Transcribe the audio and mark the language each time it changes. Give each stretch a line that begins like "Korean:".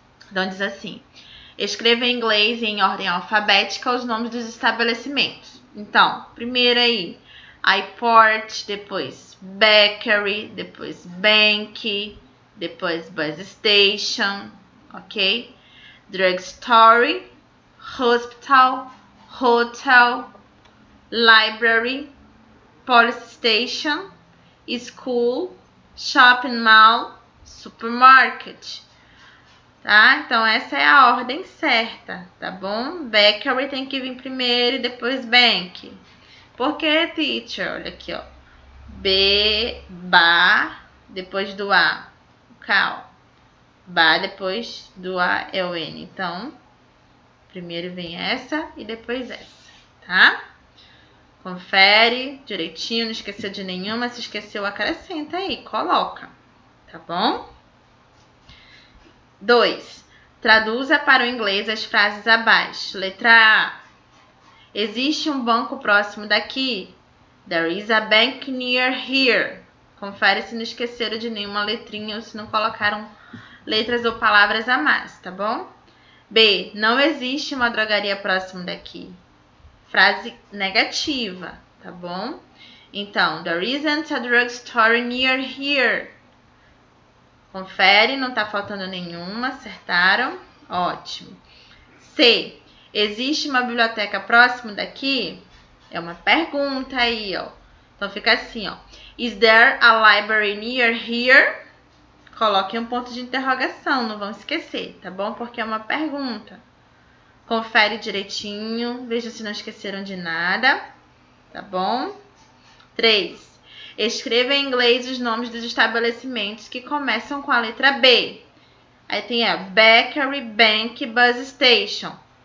Portuguese: Então, diz assim: escreva em inglês em ordem alfabética os nomes dos estabelecimentos. Então, primeiro aí, iPort, depois Bakery, depois Bank, depois Bus Station, ok?
English: Drugstore, Hospital, Hotel, Library, Police Station, School, Shopping Mall, Supermarket.
Portuguese: Tá? Então, essa é a ordem certa, tá bom? Bakery tem que vir primeiro e depois bank. Por que, teacher? Olha aqui, ó. B, ba, depois do A, cal. Ba, depois do A é o N. Então, primeiro vem essa e depois essa, tá? Confere direitinho, não esqueceu de nenhuma. Se esqueceu, acrescenta aí, coloca, tá bom? 2. Traduza para o inglês as frases abaixo. Letra A. Existe um banco próximo daqui?
English: There is a bank near here.
Portuguese: Confere se não esqueceram de nenhuma letrinha ou se não colocaram letras ou palavras a mais, tá bom? B. Não existe uma drogaria próximo daqui. Frase negativa, tá bom? Então,
English: there isn't a drugstore near here.
Portuguese: Confere, não tá faltando nenhuma, acertaram? Ótimo. C. Existe uma biblioteca próximo daqui? É uma pergunta aí, ó. Então fica assim, ó.
English: Is there a library near here?
Portuguese: Coloque um ponto de interrogação, não vão esquecer, tá bom? Porque é uma pergunta. Confere direitinho, veja se não esqueceram de nada, tá bom? 3. Escreva em inglês os nomes dos estabelecimentos que começam com a letra B. Aí tem a Bakery, Bank, Bus Station.